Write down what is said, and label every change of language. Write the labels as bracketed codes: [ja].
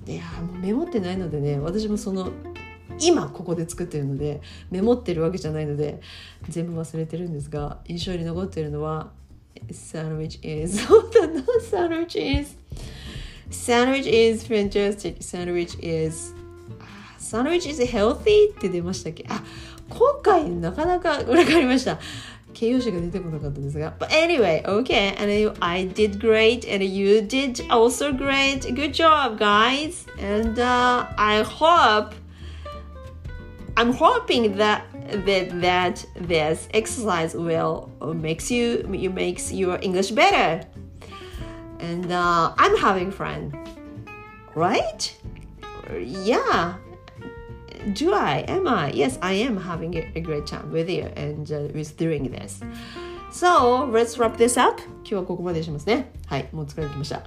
[ja] いや、もうメモってないのでね、私もその、今ここで作ってるのでメモってるわけじゃないので全部忘れてるんですが、印象に残ってるのはサンドイッチ is そうだな、サンドイッチ is サンドイッチ [en] is fantastic、 [ja] サンドイッチ is サンドイッチ [en] is healthy [ja] って出ましたっけ。あ、今回なかなか分かりました、形容詞が出てこなかったんですが、 [en] but anyway okay and I did great and you did also great, good job guys and I hopeI'm hoping that this exercise will makes your English better. And I'm having fun. Right? Yeah. Do I? Am I? Yes, I am having a great time with you and with doing this. So, let's wrap this up. [ja] 今日はここまでしますね。はい、もう疲れてきました。